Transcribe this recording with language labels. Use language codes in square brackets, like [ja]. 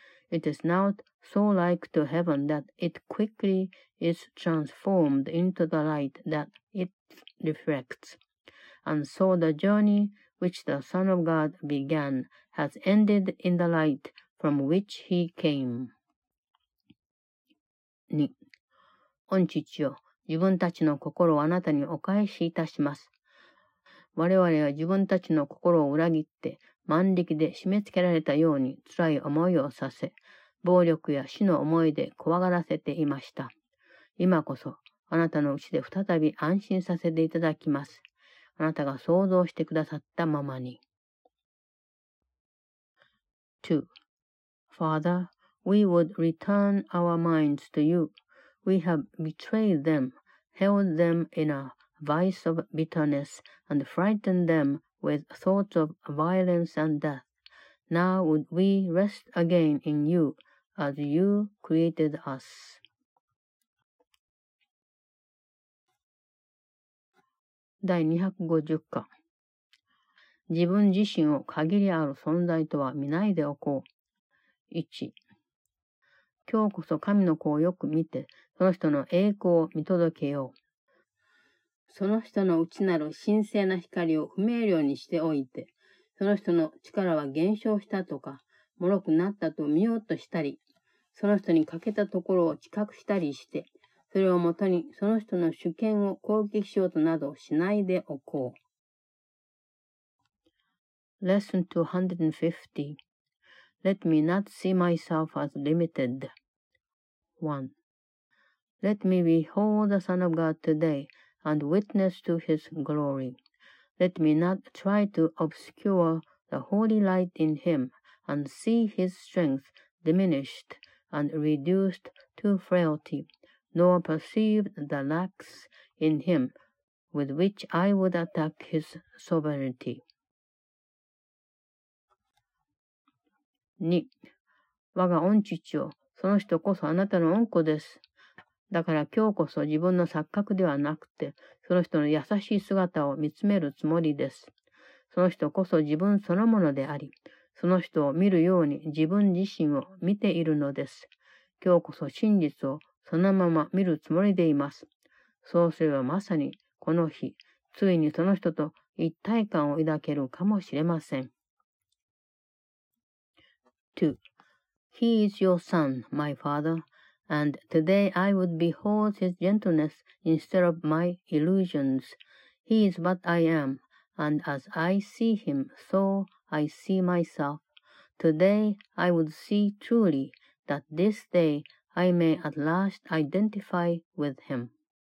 [en] It is now so like to heaven that it quickly is transformed into the light that it reflects. And so the journey which the Son of God began has ended in the light from which he came. 2. [ja] 御父よ、自分たちの心をあなたにお返しいたします。我々は自分たちの心を裏切って、万力で締め付けられたように辛い思いをさせ、暴力や死の思いで怖がらせていました。今こそ、あなたのうちで再び安心させていただきます。あなたが創造してくださったままに。 2. [en] Father, we would return our minds to you. We have betrayed them, held them in a vice of bitterness, and frightened them. With thoughts of violence and death, now would we rest again in you as you created us. [ja] 第250課。自分自身を限りある存在とは見ないでおこう。 1. 今日こそ神の子をよく見て、その人の栄光を見届けよう。その人の内なる神聖な光を不明瞭にしておいて、その人の力は減少したとか、脆くなったと見ようとしたり、その人に欠けたところを近くしたりして、それをもとにその人の主権を攻撃しようとなどしないでおこう。 [en] Lesson 250. Let me not see myself as limited. 1. Let me behold the Son of God today and witness to his glory. Let me not try to obscure the holy light in him and see his strength diminished and reduced to frailty, nor perceive the lacks in him with which I would attack his sovereignty. 2. [ja] 我が御父よ、その人こそあなたの御子です。だから今日こそ自分の錯覚ではなくて、その人の優しい姿を見つめるつもりです。その人こそ自分そのものであり、その人を見るように自分自身を見ているのです。今日こそ真実をそのまま見るつもりでいます。そうすればまさにこの日、ついにその人と一体感を抱けるかもしれません。 2. [en] He is your son, my father, and today I would behold his gentleness instead of my illusions. He is what I am, and as I see him, so I see myself. Today I would see truly that this day I may at last identify with him. 3.